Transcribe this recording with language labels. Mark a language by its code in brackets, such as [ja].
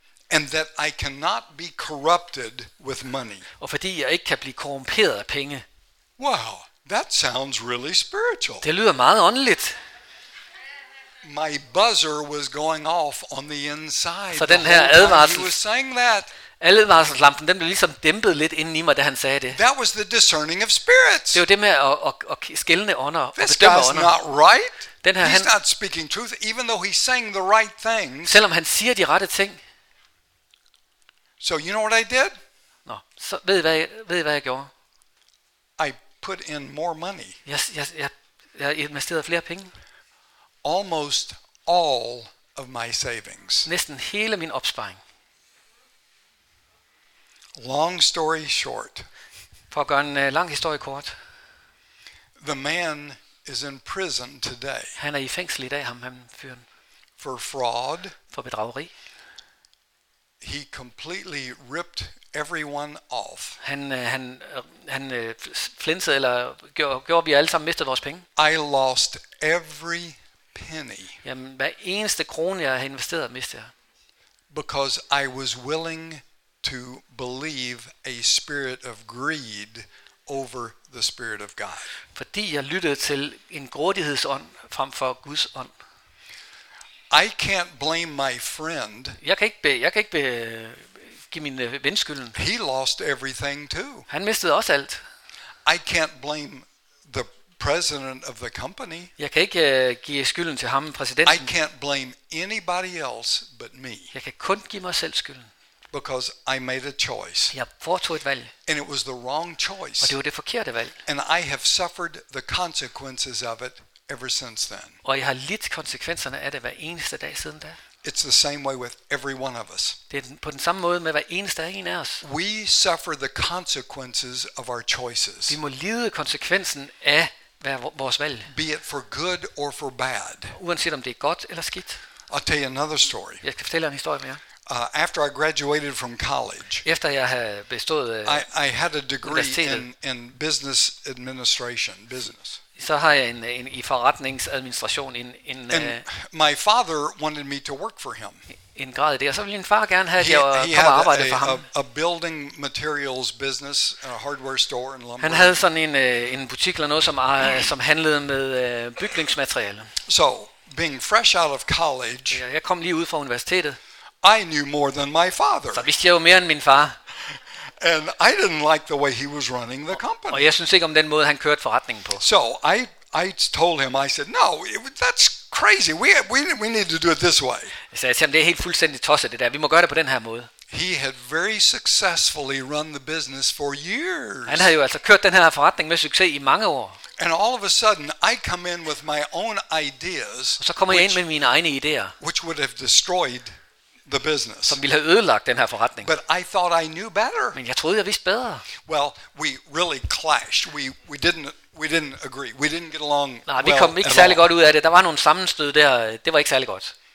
[en] And that I cannot be corrupted with money. [da] Og fordi jeg ikke kan blive korrumperet af penge. [en] Wow, that sounds really spiritual. [da] Det lyder meget åndeligt. [en] My buzzer was going off on the inside. [da] Så den her advarsel. [en] He was saying that. [da] Advarselslampen, den blev ligesom dæmpet lidt inden i mig, da han sagde det. [en] That was the discerning of spirits. [da] Det var det med at skelne ånder og bedømme [en] ånder. This guy's not right. [da] Den her, [en] he's not speaking truth, even though he's saying the right things. [da] Selvom han siger de rette ting. [en] So you know what I did? [da] No. Så ved I hvad jeg gjorde? [en] I put in more money. [da] Jeg investerede flere penge. [en] Almost all of my savings. [da] Næsten hele min opsparing. [en] Long story short. [da] For at gøre en lang historie kort. [en] The man is in prison today. [da] Han er i fængsel i dag, ham fyren. [en] For fraud. [da] For bedrageri. [en] He completely ripped everyone off. [da] Han flinsede eller gjorde vi alle sammen mistede vores penge. [en] I lost every penny. [da] Jamen, hver eneste krone jeg havde investeret, mistede jeg. [en] Because I was willing to believe a spirit of greed over the spirit of God. [da] Fordi jeg lyttede til en grådighedsånd frem for Guds ånd. [en] I can't blame my friend. [da] Jeg kan ikke give min ven skylden. [en] He lost everything too. [da] Han mistede også alt. [en] I can't blame the president of the company. [da] Jeg kan ikke give skylden til ham, præsidenten. [en] I can't blame anybody else but me. [da] Jeg kan kun give mig selv skylden. [en] Because I made a choice. [da] Jeg foretog et valg. [en] And it was the wrong choice. [da] Og det var det forkerte valg. [en] And I have suffered the consequences of it ever since then. [da] Og jeg har lidt konsekvenserne af det hver eneste dag siden da. [en] It's the same way with every one of us. [da] Det er på den samme måde med hver eneste en af os. [en] We suffer the consequences of our choices. [da] Vi må lide konsekvensen af vores valg. [en] Be it for good or for bad. [da] Uanset om det er godt eller skidt. [en] I'll tell you another story. [da] Jeg skal fortælle en historie mere. [en] After I graduated from college, [da] efter jeg havde bestået, [en] I had a degree in business administration. Business. [da] Så har jeg en i forretningsadministration en. [en] And my father wanted me to work for him. [da] En grad i det, og så ville min far gerne have, at jeg kom og arbejdede for ham. [en] A building materials business, a hardware store and lumber. [da] Han havde sådan en butik eller noget, som handlede med bygningsmateriale. [en] So, being fresh out of college, [da] jeg kom lige ud fra universitetet. [en] I knew more than my father. [da] Så vidste jeg jo mere end min far. [en] And I didn't like the way he was running the company. [da] Og jeg synes ikke om den måde han kørte forretningen på. [en] So, I told him, I said, no, that's crazy. We need to do it this way. [da] Jeg sagde til ham, det er helt fuldstændig tosset det der. Vi må gøre det på den her måde. [en] He had very successfully run the business for years. [da] Han havde jo altså kørt den her forretning med succes i mange år. [en] And all of a sudden, I come in with my own ideas. [da] Og så kommer jeg ind med mine egne ideer. [en] Which would have destroyed the business. [da] Som ville have ødelagt den her forretning. [en] But I thought I knew better. [da] Men jeg troede jeg vidste bedre. [en] Well, we really clashed. We didn't agree. We didn't get along. [da] Nej, vi kom ikke særlig godt ud af det. Der var nogle sammenstød der. Det var ikke særlig godt.